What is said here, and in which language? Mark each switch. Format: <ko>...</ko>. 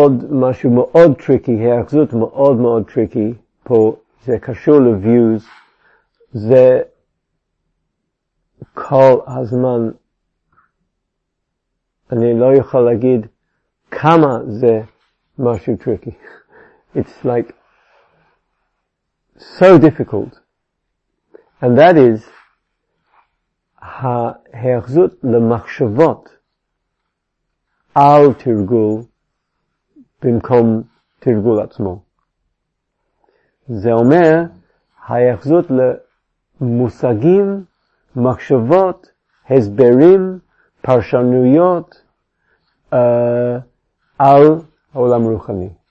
<he>משהו מאוד טריקי, היאחזות מאוד מאוד טריקי פה, זה קשור לביוז, זה כל הזמן, אני לא יכול להגיד כמה זה משהו טריקי.</he> <en>It's like so difficult. And that is</en> <he>היאחזות למחשבות. על תרגול במקום תרגול עצמו. זה אומר היחזות למושגים, מחשבות, הסברים, פרשנויות על העולם הרוחני.</he>